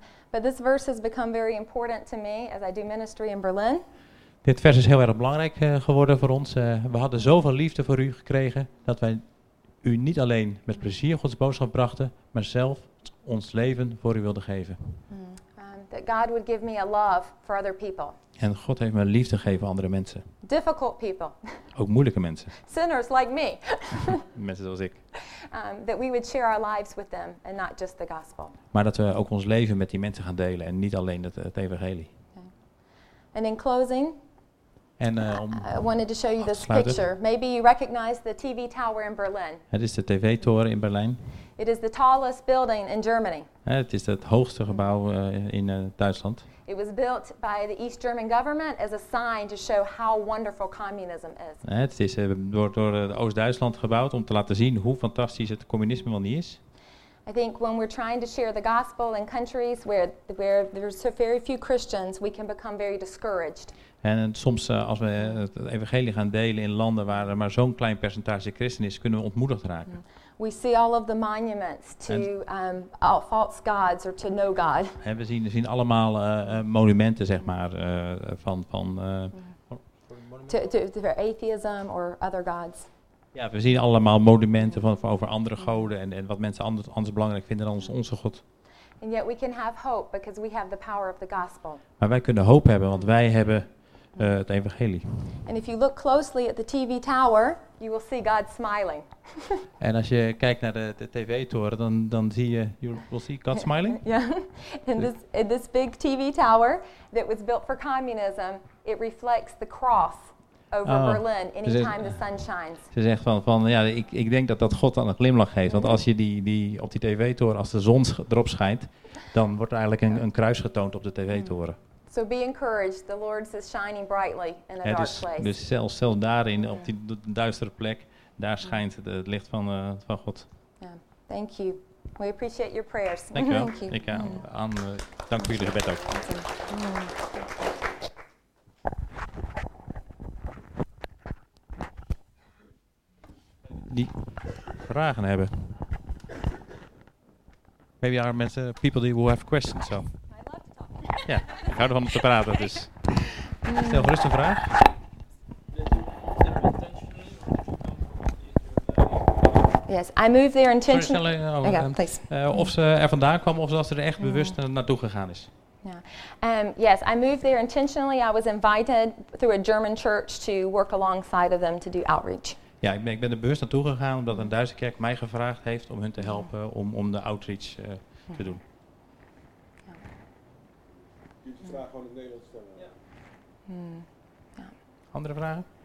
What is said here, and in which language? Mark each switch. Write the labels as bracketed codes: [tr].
[en] But this verse has become very important to me as I do ministry in Berlin. [nl] Dit vers is heel erg belangrijk geworden voor ons. We hadden zoveel liefde voor u gekregen dat wij u niet alleen met plezier Gods boodschap brachten, maar zelf ons leven voor u wilden geven. [en] That God would give me a love for other people. [nl] En God heeft me liefde gegeven aan andere mensen. [en] Difficult people. [nl] Ook moeilijke mensen. [en] Sinners like me. [nl] Mensen zoals ik. [en] That we would share our lives with them and not just the gospel. [nl] Maar dat we ook ons leven met die mensen gaan delen en niet alleen het evangelie. [en] Okay. And in closing. [nl] En [en] I wanted to show you this picture. Maybe you recognize the TV tower in Berlin. [nl] Het is de tv-toren in Berlijn. [en] It is the tallest building in Germany. [nl] Het is het hoogste gebouw in Duitsland. [en] It was built by the East German government as a sign to show how wonderful communism is. [nl] Het is door Oost-Duitsland gebouwd om te laten zien hoe fantastisch het communisme wel niet is. [en] I think when we're trying to share the gospel in countries where there's very few Christians, we can become very discouraged. [nl] En soms als we het evangelie gaan delen in landen waar er maar zo'n klein percentage christen is, kunnen we ontmoedigd raken. [en] We see all of the monuments to false gods or to no god. [nl] En we zien allemaal monumenten zeg maar van [en] to atheism or other gods. [nl] Ja, we zien allemaal monumenten van over andere goden en wat mensen anders belangrijk vinden dan onze God. [en] And yet we can have hope because we have the power of the gospel. [nl] Maar wij kunnen hoop hebben want wij hebben het evangelie. [en] And if you look closely at the TV tower, you will see God smiling. [nl] En als je kijkt naar de tv-toren, dan zie je, [en] you will see God smiling. Yeah. In this big TV tower that was built for communism, it reflects the cross. Berlin, anytime the sun shines. [nl] Ze zegt van ja, ik denk dat God dan een glimlach geeft. Want als je die op die tv-toren, als de zon erop schijnt, dan wordt er eigenlijk een kruis getoond op de tv-toren. [en] So be encouraged. The Lord is shining brightly in a dark place. [nl] Dus zelfs daarin, op die duistere plek, daar schijnt het licht van God. [en] Yeah. Thank you. We appreciate your prayers. [nl] Dank je wel. Dank voor jullie gebed ook. Die vragen hebben. [en] Maybe are mensen people who have questions. So. I love to talk. [nl] Ja, ik hou ervan om te praten. Dus. Stel gerust een vraag. [en] Yes, I moved there intentionally. [nl] Of ze er vandaan kwam of dat ze er echt bewust naartoe gegaan is. [en] Yeah. Yes, I moved there intentionally. I was invited through a German church to work alongside of them to do outreach. [nl] Ja, ik ben er bewust naartoe gegaan omdat een Duitse kerk mij gevraagd heeft om hun te helpen om de outreach te doen. Je kunt de vraag gewoon in het Nederlands stellen. Ja. Ja. Andere vragen?